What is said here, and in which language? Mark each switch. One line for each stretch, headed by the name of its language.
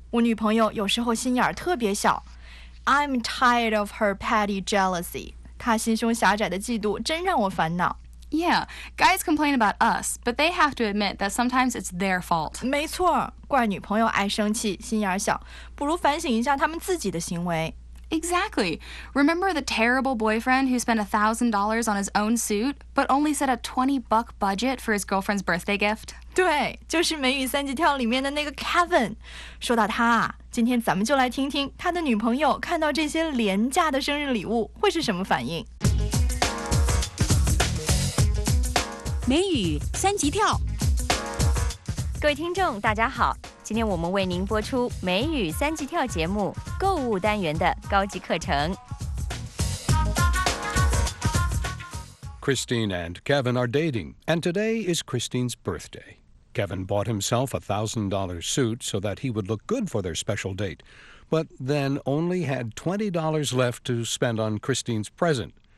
Chinese: 我女朋友有时候心眼特别小。
English: I'm tired of her petty jealousy.
Chinese: 她心胸狭窄的嫉妒真让我烦恼。
English: Yeah, guys complain about us, but they have to admit that sometimes it's their fault.
Chinese: 没错，怪女朋友爱生气，心眼小，不如反省一下他们自己的行为。
English: Exactly. Remember the terrible boyfriend who spent $1,000 on his own suit, but only set a $20 budget for his girlfriend's birthday gift?
Chinese: 对，就是美语三级跳里面的那个 Kevin. 说到他啊，今天咱们就来听听他的女朋友看到这些廉价的生日礼物会是什么反应。美语三级跳。各位听众大家好，今天我们为您播出美语三级跳节目购物单元的高级课程。
English: Christine and Kevin are dating, and today is Christine's birthday. Kevin bought himself a $1,000 suit so that he would look good for their special date, but then only had $20 left to spend on Christine's present.